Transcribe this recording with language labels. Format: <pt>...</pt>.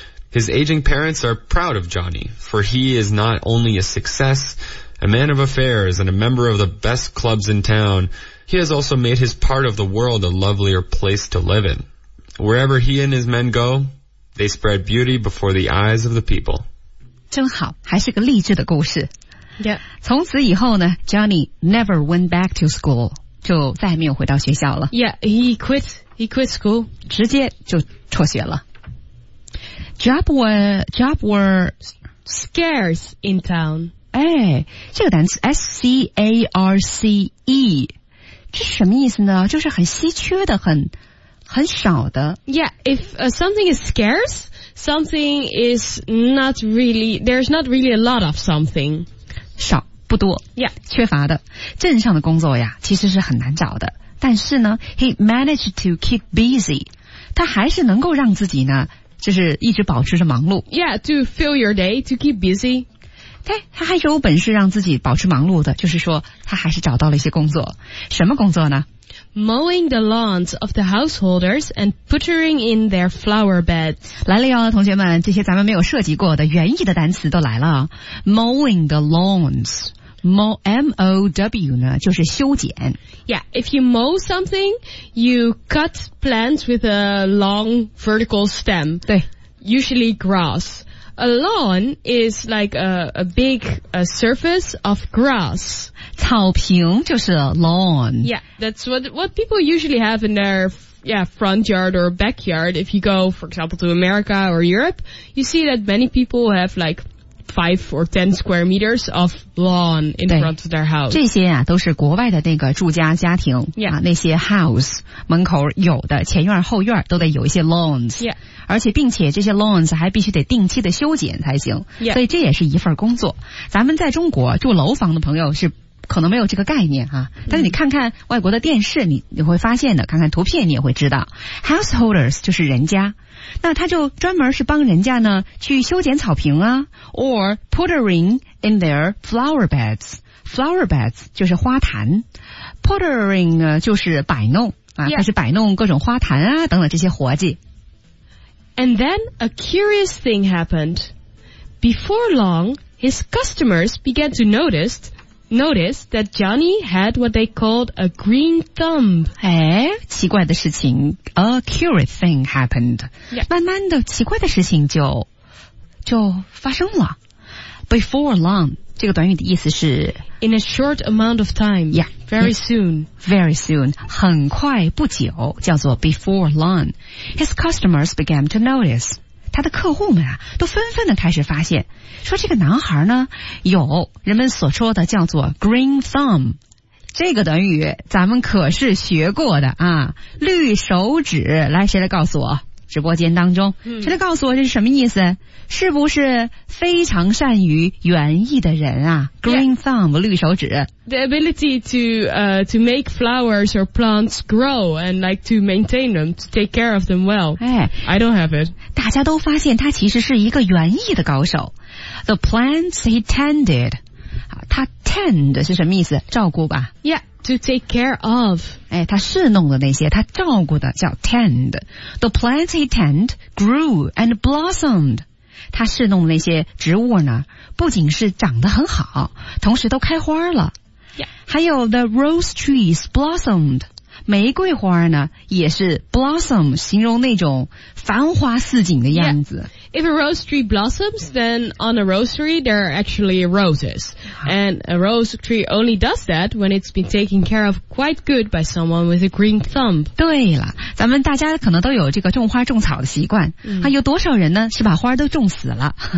<en>His aging parents are proud of Johnny, for he is not only a success, a man of affairs, and a member of the best clubs in town. He has also made his part of the world a lovelier place to live in. Wherever he and his men go, they spread beauty before the eyes of the people.</en> <zh>真好，还是个励志的故事。</zh> <en>Yeah.</en> <zh>从此以后呢 ,</zh> <en>Johnny never went back to school,</en> <zh>就再也没有回到学校了。</zh> <en>Yeah, he quit school.</en> <zh>直接就辍学了。</zh> <en>Job were scarce in town.</en> <zh>哎，这个单词 S-C-A-R-C-E, 这什么意思呢？就是很稀缺的，很少的。</zh> <en>Yeah, if something is scarce, something is not really, there's not really a lot of something.</en> <zh>少，不多。</zh> <en>Yeah.</en> <zh>缺乏的。镇上的工作呀，其实是很难找的。但是呢</zh> <en>he managed to keep busy.</en> <zh>他还是能够让自己呢，就是一直保持着忙碌。</zh> <en>Yeah, to fill your day, to keep busy.</en> <zh>对，他还是有本事让自己保持忙碌的，就是说他还是找到了一些工作。什么工作呢？</zh> <en>mowing the lawns of the householders and puttering in their flower beds.</en> <zh>来了哟，同学们，这些咱们没有涉及过的园艺的单词都来了。</zh> <en>Mowing the lawns,</en> <zh>M-O-W 呢，就是修剪。</zh> <en>Yeah, if you mow something, you cut plants with a long vertical stem.</en> <zh>对。</zh> <en>Usually grass. A lawn is like a big a surface of grass.</en> <zh>草坪就是 lawn.</zh> <en>Yeah, that's what people usually have in their, yeah, front yard or backyard. If you go, for example, to America or Europe, you see that many people have like 5 or 10 square meters of lawn in front of their house.</en> <zh>这些啊都是国外的那个住家家庭、</zh> <en>yeah.</en> <zh>啊、那些 house 门口有的前院后院都得有一些 lawns.</zh> <en>Yeah.</en> <zh>而且并且这些 lawns 还必须得定期的修剪才行、</zh> <en>yeah.</en> <zh>所以这也是一份工作咱们在中国住楼房的朋友是可能没有这个概念啊但是你看看外国的电视你会发现的看看图片你也会知道 householders 就是人家那他就专门是帮人家呢去修剪草坪啊</zh> <en>or puttering in their flower beds</en> <zh>flower beds 就是花坛 puttering 呢就是摆弄啊、</zh> <en>yeah.</en> <zh>开始摆弄各种花坛啊等等这些活计</zh> <en>And then a curious thing happened. Before long, his customers began to notice that Johnny had what they called a green thumb.</en> <zh>哎，奇怪的事情 ，</zh> <en>a curious thing happened.、 Yeah.</en> <zh>慢慢的，奇怪的事情就发生了。</zh> <en>Before long，</en> <zh>这个短语的意思是</zh> <en>in a short amount of time. Yeah, very soon. Very soon，</en> <zh>很快不久，叫做</zh> <en>before long。 His customers began to notice.</en> <zh>他的客户们啊，都纷纷的开始发现，说这个男孩呢，有人们所说的叫做</zh> <en>green thumb。</en> <zh>这个短语咱们可是学过的啊，绿手指。来，谁来告诉我？直播间当中，谁来告诉我这是什么意思？是不是非常善于园艺的人啊 ？</zh> <en>Green thumb，</en> <zh>绿手指。</zh> <en>The ability to make flowers or plants grow and like to maintain them, to take care of them well. 哎，I don't have it.</en> <zh>大家都发现他其实是一个园艺的高手。</zh> <en>The plants he tended，</en> <zh>他 tend 是什么意思？照顾吧。</zh> <en>Yeah. To take care of.</en> <zh>哎，他侍弄的那些，他照顾的叫 tend.</zh> <en>The plants he tend grew and blossomed.</en> <zh>他侍弄的那些植物呢，不仅是长得很好，同时都开花了。</zh> <en>Yeah.</en> <zh>还有</zh> <en>the rose trees blossomed.</en> <zh>玫瑰花呢，也是 blossom, 形容那种繁花似锦的样子。</zh> <en>Yeah. If a rose tree blossoms, then on a rosery, there are actually roses. And a rose tree only does that when it's been taken care of quite good by someone with a green thumb.</en> <zh>对了，咱们大家可能都有这个种花种草的习惯。嗯、啊，有多少人呢是把花都种死了？</zh>